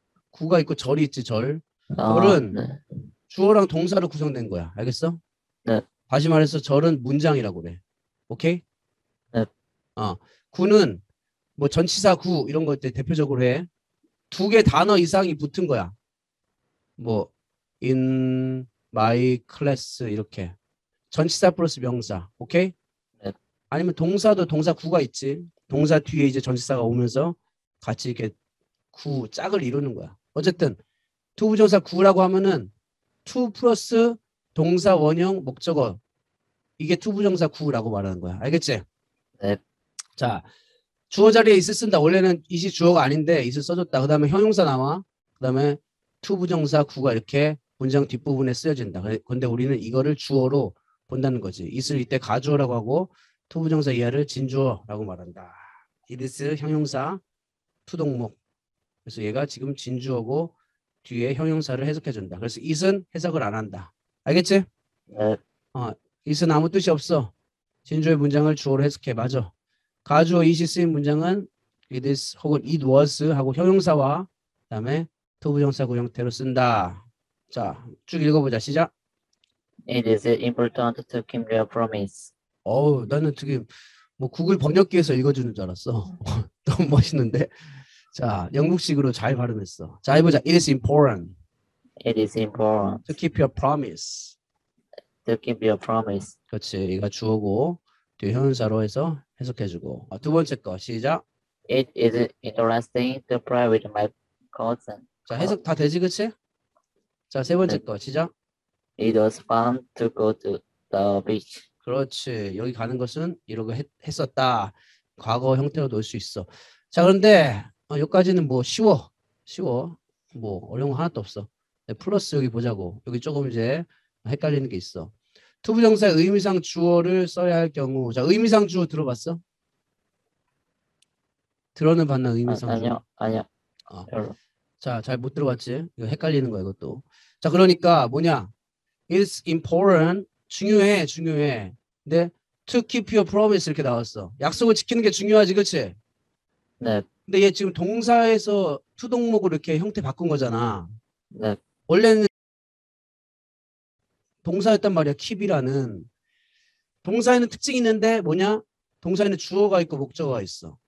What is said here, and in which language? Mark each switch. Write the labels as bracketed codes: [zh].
[ko] 구가 있고 절이 있지, 절. 절은 주어랑 동사로 구성된 거야. 알겠어? 다시 말해서 절은 문장이라고 그래. 오케이? 구는 뭐 전치사 구 이런 것들 대표적으로 해. 두개 단어 이상이 붙은 거야. [en] 뭐 in my class 이렇게. [ko] 전치사 플러스 명사. 오케이? 아니면 동사도 동사 구가 있지. 동사 뒤에 이제 전치사가 오면서 같이 이렇게 구 짝을 이루는 거야. 어쨌든 투부정사 구라고 하면은 투 플러스 동사 원형 목적어. 이게 투부정사 구라고 말하는 거야. 알겠지? 자, 주어 자리에 있을 쓴다. 원래는 is 주어가 아닌데 is 써줬다. 그 다음에 형용사 나와. 그 다음에 투부정사 구가 이렇게 문장 뒷부분에 쓰여진다. 근데 우리는 이거를 주어로 본다는 거지. is를 이때 가주어라고 하고 투부정사 이하를 진주어라고 말한다. is 형용사 투동목. 그래서 얘가 지금 진주어고 뒤에 형용사를 해석해준다. 그래서 is은 해석을 안 한다. 알겠지? is는 아무 뜻이 없어. 진주어의 문장을 주어로 해석해. 맞아. 가주어 is 쓰인 문장은 it is 혹은 it was 하고 형용사와 그다음에 투부정사 구 형태로 쓴다. 자, 쭉 읽어보자. 시작. [en] It is important to keep your promise. [ko] 어우, 나는 되게 뭐 구글 번역기에서 읽어주는 줄 알았어. 너무 멋있는데. 자, 영국식으로 잘 발음했어. 자, 해보자. [en] It is important It is important to keep your promise. to keep your promise. [ko] 그렇지. 얘가 주어고 뒤에 형용사로 해서 해석해주고. 두 번째 거 시작. [en] It is interesting to play with my cousin. [ko] 자, 해석 다 되지, 그렇지? 자, 세 번째 거 시작. [en] It was fun to go to the beach. [ko] 그렇지. 여기 가는 것은 이러고 했었다. 과거 형태로 넣을 수 있어. 자, 그런데 여기까지는 뭐 쉬워. 쉬워. 뭐 어려운 거 하나도 없어. 플러스 여기 보자고. 여기 조금 이제 헷갈리는 게 있어. 투부정사의 의미상 주어를 써야 할 경우. 자, 의미상 주어 들어봤어? 들어는 봤나, 의미상 주어? 아니요, 아니요. 별로. 자, 잘못 들어봤지? 이거 헷갈리는 거야, 이것도. 자, 그러니까 뭐냐? [en] It's important. [ko] 중요해, 중요해. 근데 [en] to keep your promise [ko] 이렇게 나왔어. 약속을 지키는 게 중요하지, 그치? 근데 얘 지금 동사에서 투동목으로 이렇게 형태 바꾼 거잖아. 원래는 동사였단 말이야, keep이라는. 동사에는 특징이 있는데 뭐냐? 동사에는 주어가 있고 목적어가 있어.